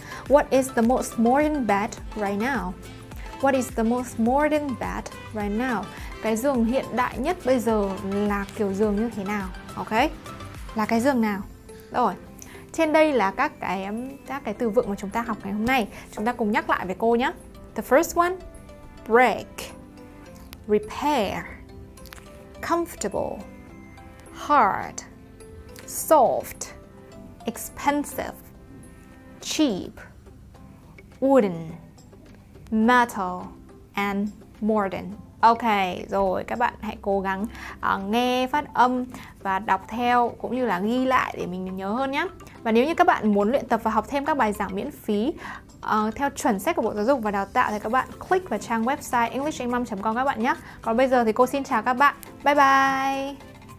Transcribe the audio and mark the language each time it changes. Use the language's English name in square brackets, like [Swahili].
[English] What is the most modern bed right now? What is the most modern bed right now? [Vietnamese] cái giường hiện đại nhất bây giờ là kiểu giường như thế nào? Ok, là cái giường nào? Rồi, trên đây là các cái từ vựng mà chúng ta học ngày hôm nay. Chúng ta cùng nhắc lại với cô nhé. [English] The first one, break, repair, comfortable, hard, soft, expensive, cheap, wooden, metal, and modern. [Vietnamese] Ok, rồi các bạn hãy cố gắng nghe phát âm và đọc theo cũng như là ghi lại để mình nhớ hơn nhé. Và nếu như các bạn muốn luyện tập và học thêm các bài giảng miễn phí theo chuẩn sách của Bộ Giáo dục và Đào tạo thì các bạn click vào trang website englishamom.com các bạn nhé. Còn bây giờ thì cô xin chào các bạn. Bye bye!